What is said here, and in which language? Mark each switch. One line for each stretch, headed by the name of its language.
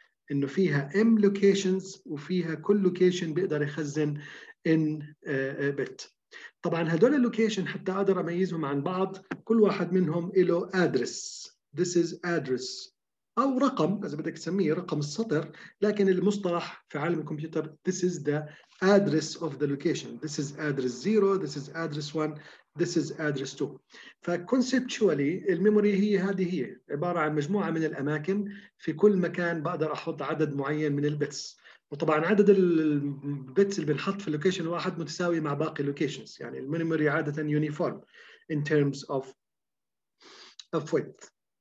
Arabic: إنه فيها M locations وفيها كل location بيقدر يخزن N bit. طبعاً هدول location حتى أقدر أميزهم عن بعض، كل واحد منهم إله address.
English: This is address
Arabic: أو رقم إذا بدك تسميه رقم السطر، لكن المصطلح في عالم الكمبيوتر
English: this is the address of the location. This is address 0, this is address 1, this is address 2.
Arabic: فconceptually الميموري هي هذه، هي عبارة عن مجموعة من الأماكن، في كل مكان بقدر أحط عدد معين من البتس. وطبعا عدد البتس اللي بنحط في اللوكيشن واحد متساوي مع باقي اللوكيشنز، يعني الميموري عادة
English: uniform in terms of width.